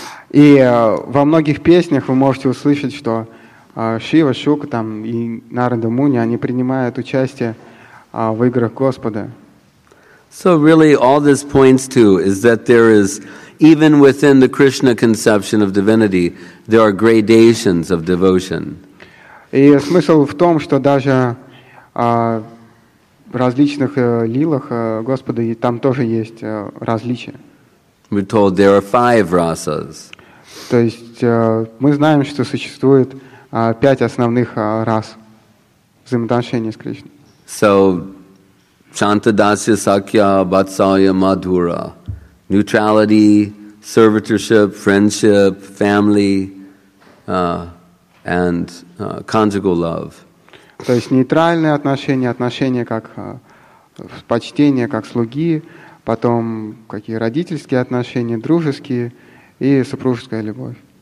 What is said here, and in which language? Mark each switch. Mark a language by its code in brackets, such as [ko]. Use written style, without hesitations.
[ru] И во многих песнях вы можете услышать, что Шива, Шука там и Нарада Муни, они принимают участие в играх Господа. [en] So really all this points to is that there is, even within the Krishna conception of divinity, there are gradations of devotion. [ru] И смысл в том, что даже в различных лилах Господа там тоже есть различия. [en] We're told there are 5 rasas. [ru] То есть мы знаем, что существует 5 основных рас взаимоотношений с Кришной. [en] So, Chanta Dasya Sakya Vatsalya Madhura. Neutrality, servitorship, friendship, family, and conjugal love. [ru] То есть нейтральные отношения, отношения как почтение, как слуги, потом какие родительские отношения, дружеские и супружеская любовь.